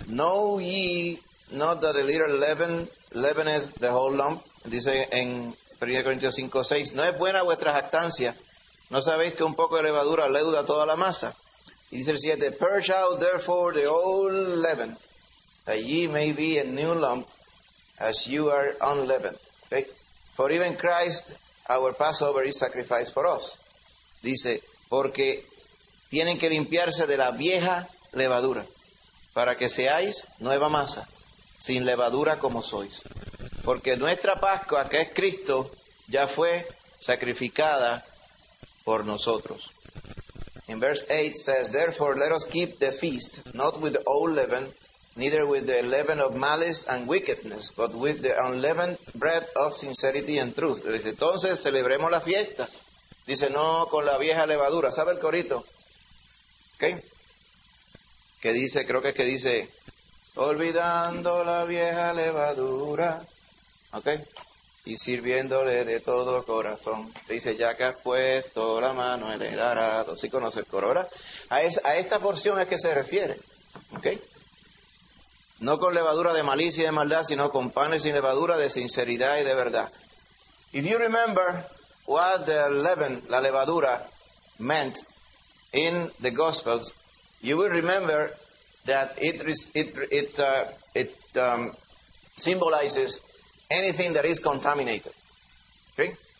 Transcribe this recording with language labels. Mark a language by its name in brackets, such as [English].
[English] Know ye not that a little leaven leaveneth the whole lump? [Spanish] Dice en 1 Corinthians 5, 6. No es buena vuestra jactancia. ¿No sabéis que un poco de levadura leuda toda la masa? Y dice el 7, [English] purge out therefore the old leaven, that ye may be a new lump, as you are unleavened. Okay? For even Christ, our Passover, is sacrificed for us. [Spanish] Dice, porque tienen que limpiarse de la vieja levadura, para que seáis nueva masa, sin levadura como sois. Porque nuestra Pascua, que es Cristo, ya fue sacrificada por nosotros. [English] In verse 8 says, therefore let us keep the feast, not with the old leaven, neither with the leaven of malice and wickedness, but with the unleavened bread of sincerity and truth. [Spanish] Dice, entonces celebremos la fiesta. Dice, no con la vieja levadura. ¿Sabe el corito? ¿Okay? Que dice, creo que es que dice, olvidando la vieja levadura, ¿okay? Y sirviéndole de todo corazón. Dice, ya que has puesto la mano en el arado. ¿Sí conoce el coro? A esta porción es que se refiere. ¿Okay? No con levadura de malicia y de maldad, sino con panes sin levadura de sinceridad y de verdad. [English] If you remember what the leaven, [Spanish] la levadura, [English] meant in the Gospels, you will remember that it symbolizes anything that is contaminated. Okay?